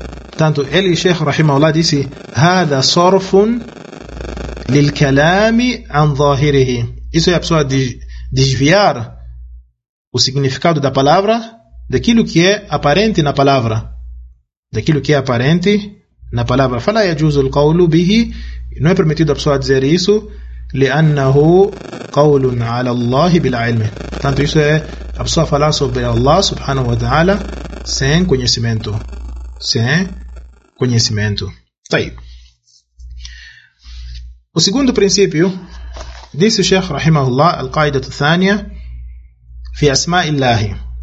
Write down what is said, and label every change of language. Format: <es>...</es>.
<pt>Portanto, ele, Sheikh Rahimahullah, disse:</pt> <ar>هذا صرف للكلام عن ظاهره.</ar> <pt>Isso é a pessoa desviar o significado da palavra daquilo que é aparente na palavra. Daquilo que é aparente na palavra.</pt> <ar>فلا يجوز القول به.</ar> <pt>Não é permitido a pessoa dizer isso.</pt> <ar>لأنه قول على الله بالعلم.</ar> <pt>Portanto, isso é a pessoa falar sobre Allah subhanahu wa ta'ala sem conhecimento. Conhecimento. Tá aí. O segundo princípio, disse o Sheikh Rahimahullah,</pt> <ar>Al-Qaida Tathania, fi Asma'illah.</ar>